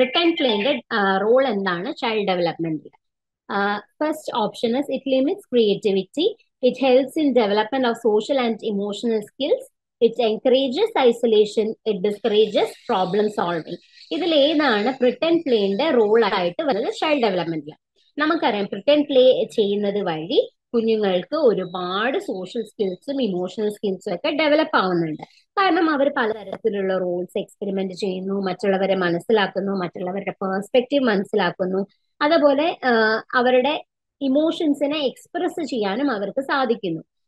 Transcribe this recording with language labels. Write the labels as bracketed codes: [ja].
[ml] Written പ്ലേന്റെ role എന്താണ് child ഡെവലപ്മെന്റിൽ? [en] First option is it limits creativity, it helps in development of social and emotional skills, it encourages isolation, it discourages problem solving. [ml] ഇതില് ഏതാണ് pretend പ്ലേന്റെ role ആയിട്ട് വരുന്നത് child ഡെവലപ്മെന്റിൽ? നമുക്കറിയാം pretend play ചെയ്യുന്നത് വഴി കുഞ്ഞുങ്ങൾക്ക് ഒരുപാട് സോഷ്യൽ സ്കിൽസും ഇമോഷണൽ സ്കിൽസും ഒക്കെ ഡെവലപ്പ് ആവുന്നുണ്ട്. കാരണം അവർ പലതരത്തിലുള്ള റോൾസ് എക്സ്പെരിമെന്റ് ചെയ്യുന്നു, മറ്റുള്ളവരെ മനസ്സിലാക്കുന്നു, മറ്റുള്ളവരുടെ പേഴ്സ്പെക്റ്റീവ് മനസ്സിലാക്കുന്നു, അതേപോലെ അവരുടെ ഇമോഷൻസിനെ എക്സ്പ്രസ് ചെയ്യാനും അവർക്ക് സാധിക്കുന്നു.